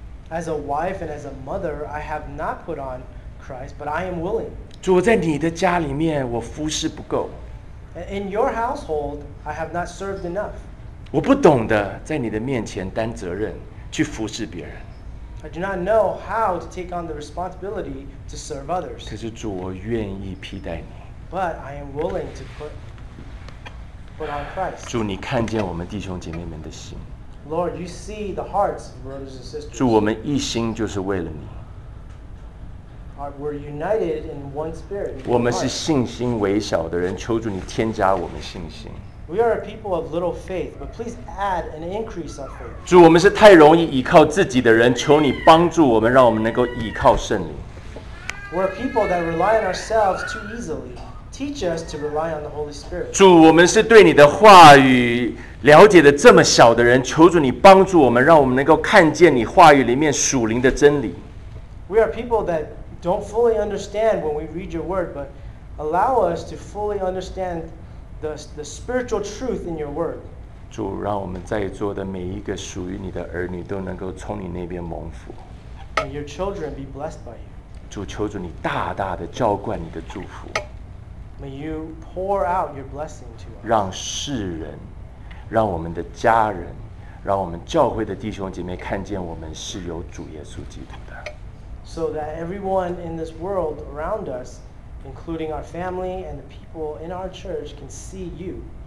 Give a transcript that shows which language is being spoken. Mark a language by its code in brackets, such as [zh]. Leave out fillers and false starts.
[en] As a wife and as a mother, I have not put on Christ, but I am willing. [zh] 主，我在你的家里面，我服侍不够。 [en] In your household, I have not served enough. [zh] 我不懂得在你的面前担责任，去服侍别人。 [en] I do not know how to take on the responsibility to serve others. [zh] 可是主，我愿意披戴你。 [en] But I am willing to put on Christ. [zh] 主，你看见我们弟兄姐妹们的心。 [en] Lord, you see the hearts of brothers and sisters. [zh] 主，我们一心就是为了你。 [en] We're united in one spirit. [zh] 我们是信心微小的人，求主你添加我们信心。 [en] We are a people of little faith, but please add and increase our faith. [zh] 主，我们是太容易依靠自己的人，求你帮助我们，让我们能够依靠圣灵。 [en] We're a people that rely on ourselves too easily. Teach us to rely on the Holy Spirit. [zh] 主，我们是对你的话语了解的这么小的人，求主你帮助我们，让我们能够看见你话语里面属灵的真理。 [en] We are people that don't fully understand when we read your word, but allow us to fully understand the spiritual truth in your word. [zh] 主，让我们在座的每一个属于你的儿女都能够从你那边蒙福。 [en] And your children be blessed by you. [zh] 主，求主你大大的浇灌你的祝福。 [en] May you pour out your blessing to us. [zh] 让世人，让我们的家人，让我们教会的弟兄姐妹看见我们是有主耶稣基督的。 [en] So that everyone in this world around us, including our family and the people in our church, can see you.